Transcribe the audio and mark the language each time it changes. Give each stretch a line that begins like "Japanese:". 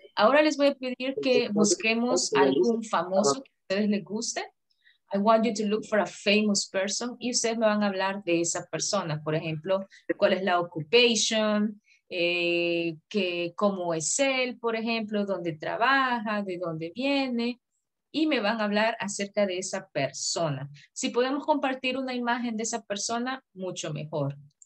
Spanish: Ahora les voy a pedir que busquemos algún famoso que a ustedes les guste.
English: I want you to look for a famous person.
Spanish: Y ustedes me van a hablar de esa persona. Por ejemplo, cuál es la occupation, cómo es él, por ejemplo, dónde trabaja, de dónde viene. y me van a hablar acerca de esa persona. Si podemos compartir una imagen de esa persona, mucho mejor.